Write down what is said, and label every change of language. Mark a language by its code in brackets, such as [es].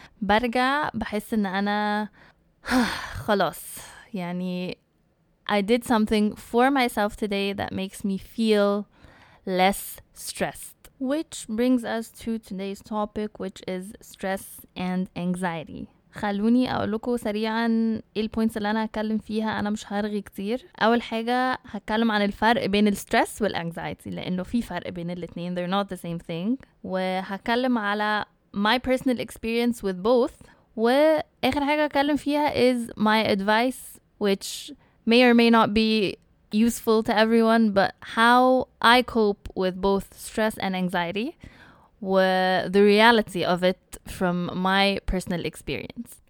[ar] برجع بحس أن أنا خلاص, يعني [en] I did something for myself today that makes me feel less stressed. Which brings us to today's topic, which is stress and anxiety. [ar] خلوني أقول لكم سريعاً إيه البوينتس اللي أنا هتكلم فيها, أنا مش هرغي كتير. أول حاجة هتكلم عن الفرق بين الستريس والأنكزايتي, لأنه في فرق بين الاثنين, [en] they're not the same thing. [ar] وهتكلم على [en] my personal experience with both. [ar] وآخر حاجة هتكلم فيها [en] is my advice, which may or may not be useful to everyone, but how I cope with both stress and anxiety were the reality of it from my personal experience.